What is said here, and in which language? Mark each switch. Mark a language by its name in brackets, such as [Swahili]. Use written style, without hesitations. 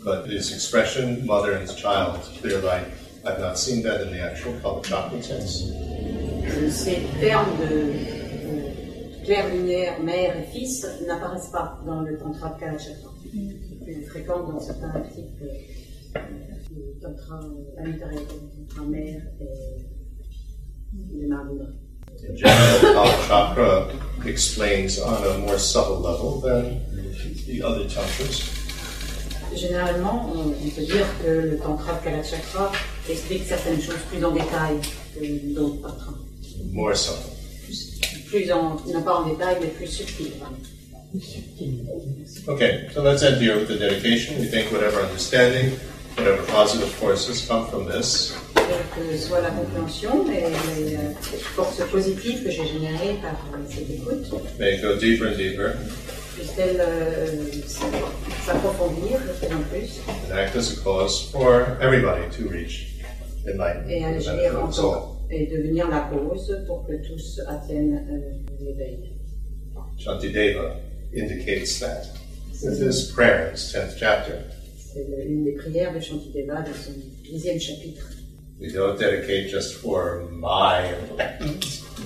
[English] But this expression, mother and child, clear light, I've not seen that in the actual Kalachakra text. [French] Ces termes de clair, lumière, mère et fils n'apparaissent pas dans le tantra de Kalachakra. Ils sont fréquents dans certains articles de tantra à l'intérieur du tantra mère et de Mahamudra. [English] In general, Kalachakra explains on a more subtle level than the other tantras. [French] Généralement, on peut dire que le tantra de Kalachakra explique certaines choses plus en détail que d'autres tantras. [English] More subtle. [French] Pas en détail, mais plus subtil. [English] Okay, so let's end here with the dedication. We thank whatever understanding, whatever positive forces come from this. [French] Que soit la compréhension et les forces positives que j'ai générées par cette écoute. [English] May it go deeper and deeper. [French] Puisse-t-elle s'approfondir de plus en plus. [English] And act as a cause for everybody to reach enlightenment. [French] Et agir en soi. Et devenir la cause pour que tous atteignent l'éveil. [English] Shantideva indicates that. This is prayer, its 10th chapter. [French] C'est une des prières de Shantideva dans son 10e chapitre. [English] We don't dedicate just for my enlightenment.